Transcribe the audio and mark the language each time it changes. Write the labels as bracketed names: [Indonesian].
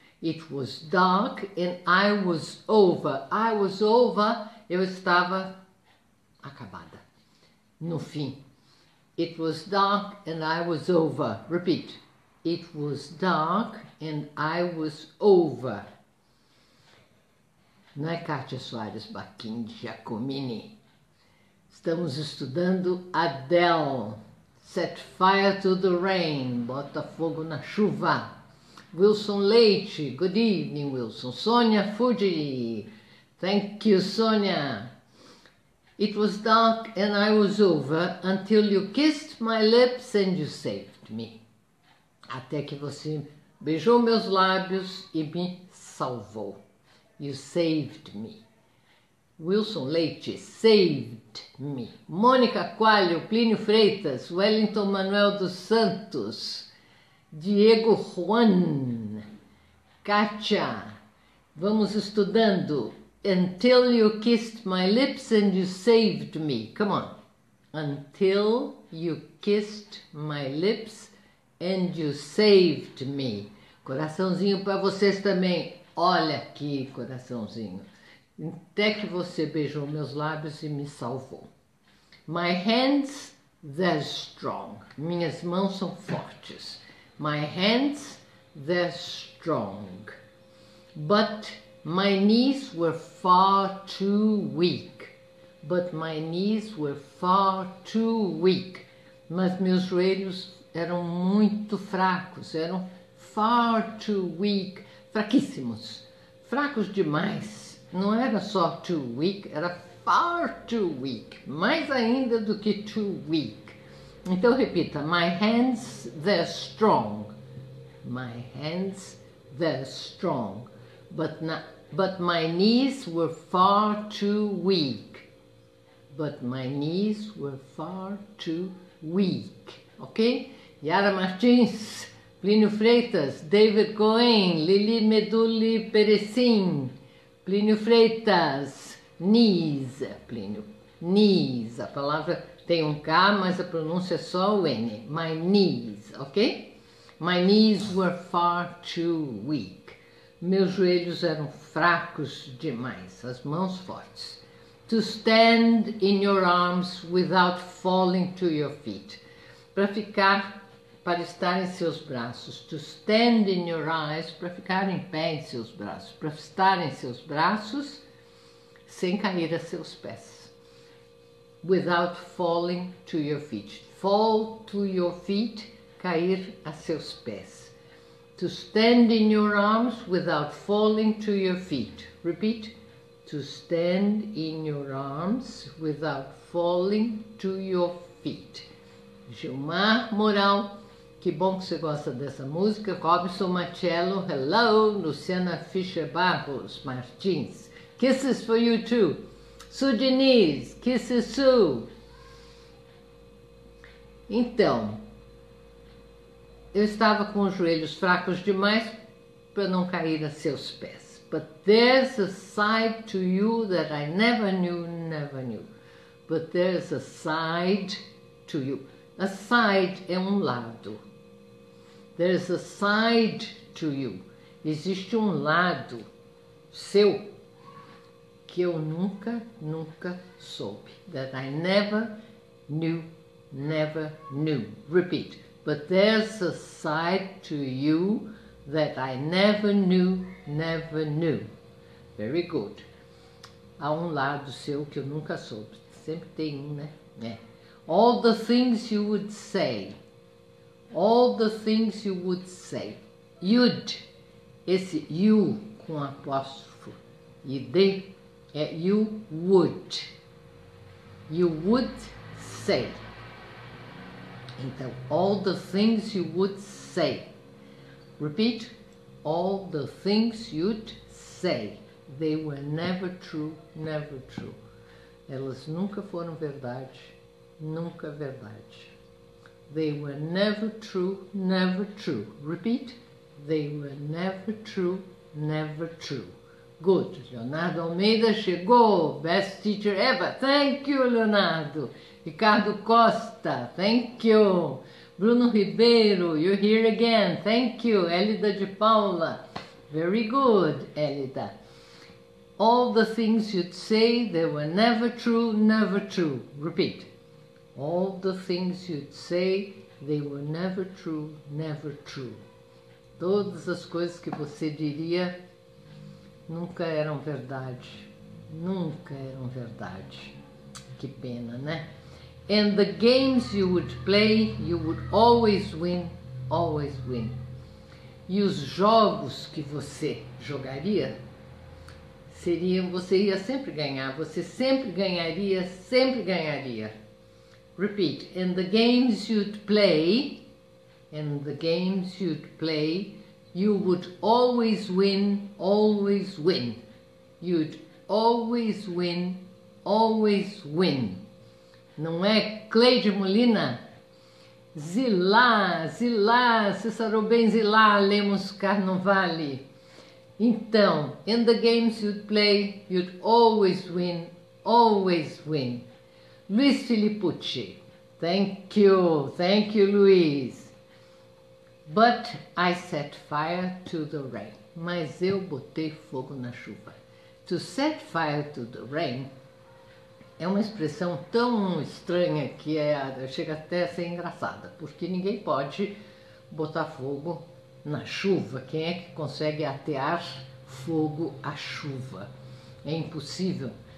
[English] It was dark and I was over. I was over, [Portuguese] eu estava acabada. No fim. [English] It was dark and I was over. Repeat. It was dark and I was over. [Portuguese] Não é Kátia Soares Baquim Giacomini? Estamos estudando Adele. [English] Set fire to the rain. [Portuguese] Bota fogo na chuva. [English] Wilson Leite. Good evening, Wilson. Sonia Fuji. Thank you, Sonia. It was dark and I was over until you kissed my lips and you saved me. [Portuguese] Até que você beijou meus lábios e me salvou. [English] You saved me. Wilson Leite saved me. [Portuguese] Mônica Coelho, Plínio Freitas, Wellington Manuel dos Santos, Diego Juan, Kátia, vamos estudando. [English] Until you kissed my lips and you saved me. Come on. Until you kissed my lips and you saved me. [Portuguese] Coraçãozinho para vocês também. Olha aqui, coraçãozinho. Até que você beijou meus lábios e me salvou. [English] My hands, they're strong. [Portuguese] Minhas mãos são fortes. [English] My hands, they're strong. But my knees were far too weak. But my knees were far too weak. [Portuguese] Mas meus joelhos eram muito fracos. [English] Eram far too weak. [Portuguese] Fraquíssimos. Fracos demais. Não era só [English] too weak, [Portuguese] era [English] far too weak, [Portuguese] mais ainda do que [English] too weak. [Portuguese] Então repita: [English] My hands, they're strong. My hands, they're strong. But my knees were far too weak. But my knees were far too weak. Ok? Yara Martins, Plínio Freitas, David Cohen, Lili Meduli Peresin. Plínio Freitas, knees, Plínio. [Portuguese] Knees, a palavra tem um K, mas a pronúncia é só o N. [English] My knees, ok? My knees were far too weak. [Portuguese] Meus joelhos eram fracos demais, as mãos fortes. [English] To stand in your arms without falling to your feet. [Portuguese] Para ficar, para estar em seus braços, [English] to stand in your eyes, [Portuguese] para ficar em pé em seus braços, para estar em seus braços sem cair a seus pés. [English] Without falling to your feet. Fall to your feet, [Portuguese] cair a seus pés. [English] To stand in your arms without falling to your feet. Repeat. To stand in your arms without falling to your feet. Gilmar Moral. [Portuguese] Que bom que você gosta dessa música. [English] Robson Macello, hello. Luciana Fischer Barros Martins, kisses for you too. Su Diniz, kisses Su. [Portuguese] Então, eu estava com os joelhos fracos demais para não cair a seus pés. [English] But there's a side to you that I never knew, never knew. But there's a side to you. A side [Portuguese] é um lado. [English] There's a side to you. [Portuguese] Existe um lado seu que eu nunca, nunca soube. [English] That I never knew, never knew. Repeat. But there's a side to you that I never knew, never knew. Very good. [Portuguese] Há um lado seu que eu nunca soube. Sempre tem um, né? É. [English] All the things you would say. All the things you would say. [Portuguese] You'd, esse you com apóstrofo, ID, é [English] you would. You would say. Então, all the things you would say. Repeat. All the things you'd say. They were never true, never true. [Portuguese] Elas nunca foram verdade, nunca verdade. [English] They were never true, never true. Repeat. They were never true, never true. Good. [Portuguese] Leonardo Almeida chegou. [English] Best teacher ever. Thank you, Leonardo. Ricardo Costa. Thank you. Bruno Ribeiro. You're here again. Thank you. Elida de Paula. Very good, Elida. All the things you'd say, they were never true, never true. Repeat. All the things you'd say, they were never true, never true. [Portuguese] Todas as coisas que você diria nunca eram verdade. Nunca eram verdade. Que pena, né? [English] And the games you would play, you would always win, always win. [Portuguese] E os jogos que você jogaria seriam, você ia sempre ganhar, você sempre ganharia, sempre ganharia. [English] Repeat, and the games you'd play, and the games you'd play, you would always win, always win. You'd always win, always win. [Portuguese] Não é, Cleide Molina? Zilá, Zilá, Cícero Ben Zilá, Lemos Carnovale. [English] Então, in the games you'd play, you'd always win, always win. Luiz Filippucci. Thank you, Luiz. But I set fire to the rain. [Portuguese] Mas eu botei fogo na chuva. [English] To set fire to the rain [Portuguese] é uma expressão tão estranha que é, chega até a ser engraçada, porque ninguém pode botar fogo na chuva. Quem é que consegue atear fogo à chuva? É impossível.